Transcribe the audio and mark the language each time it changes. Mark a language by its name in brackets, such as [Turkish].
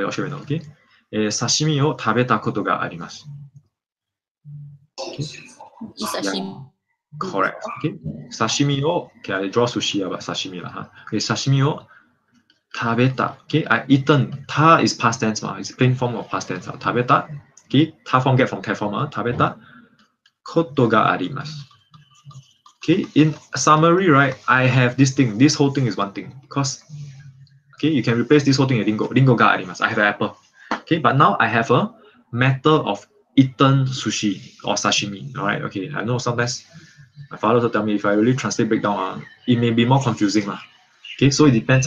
[English] You all should know. Okay. [Japanese] Sashimi を食べたことがあります。 [English] Sashimi. Correct. Sashimi を、I draw sushi, but sashimi. [Japanese] Sashimi を食べた。 [English] Okay, I eaten. Ta is past tense, it's plain form of past tense. 食べた。Okay, ta form get from te form. [Japanese] 食べたことがあります。 [English] Okay, in summary, right, I have this thing. This whole thing is one thing. Because, okay, you can replace this whole thing with ringo. [Japanese] Ringo があります。 [English] I have an apple. Okay, but now I have a matter of eaten sushi or sashimi. All right, okay. I know sometimes my father will tell me if I really translate breakdown, it may be more confusing. Okay, so it depends.